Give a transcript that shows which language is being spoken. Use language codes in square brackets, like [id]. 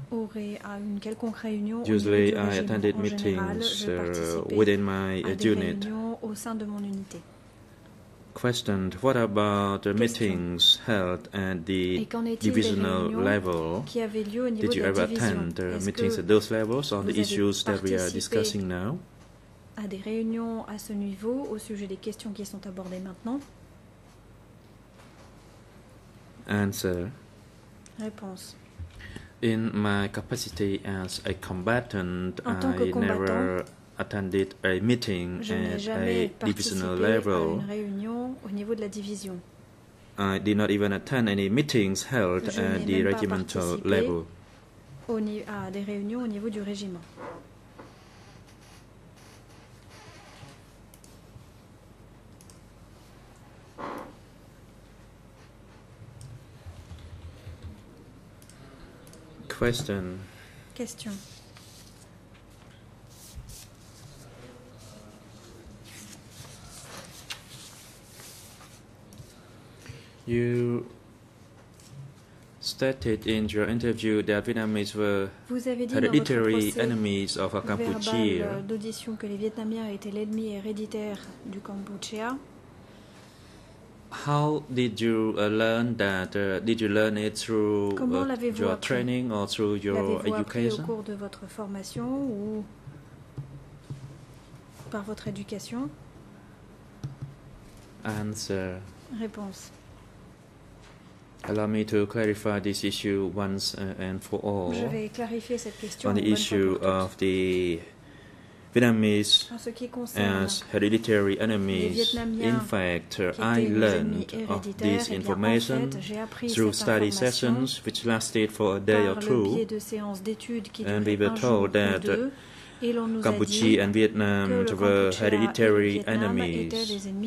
[en] Usually I attended meetings within my unit. [fr] Au sein de mon unité. [en] Question, what about the meetings held at the divisional level? [fr] Qui avaient lieu au niveau [en] did you ever attend meetings at those levels on the issues that we are discussing now? [fr] À des réunions à ce niveau au sujet des questions qui sont abordées maintenant? [en] Answer. [fr] Réponse. [en] In my capacity as a combatant, I never attended a meeting at a divisional level. [fr] À une réunion au niveau de la division. [en] I did not even attend any meetings held [fr] Je [en] at the regimental level. [fr] À des réunions au niveau du régiment. [en] Question. [fr] Question. [en] You stated in your interview that Vietnamese were hereditary enemies of Cambodia. [fr] D'audition que les Vietnamiens étaient l'ennemi héréditaire du Cambodia. [en] How did you learn that? Did you learn it through your training or through your education? [fr] Au cours de votre formation ou par votre éducation? [en] Answer. [fr] Réponse. [en] Allow me to clarify this issue once and for all. [fr] Je vais clarifier cette question [en] on the issue of the Vietnamese as hereditary enemies. In fact, I learned of this information through study sessions which lasted for a day or two, and we were told that Cambodia and Vietnam were hereditary enemies.